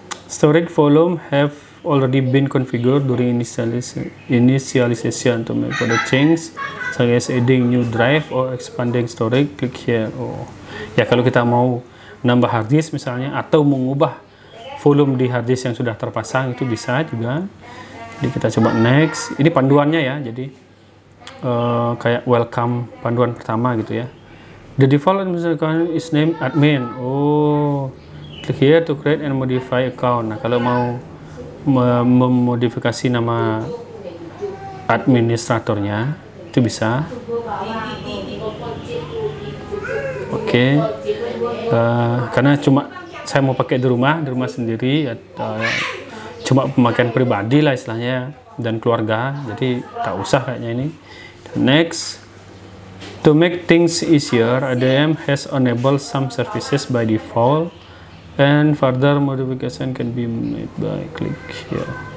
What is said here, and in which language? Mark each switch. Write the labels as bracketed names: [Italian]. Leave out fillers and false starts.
[English] Storage volume have already been configured during initialization to make further changes. So, guys, adding new drive or expanding storage, click here. [Indonesian] Oh, ya, kalau kita mau nambah hard disk misalnya atau mengubah volume di hard disk yang sudah terpasang itu bisa juga. Jadi kita coba next. Ini panduannya ya. Jadi kayak welcome panduan pertama gitu ya. [English] The default misalkan is name admin. Oh, click here to create and modify account. [Indonesian] Nah, kalau mau memodifikasi nama administratornya itu bisa. Oke, karena cuma saya mau pakai di rumah sendiri atau cuma pemakaian pribadi lah istilahnya dan keluarga, jadi tak usah kayaknya ini. [English] Next, to make things easier, ADM has enabled some services by default and further modification can be made by click here.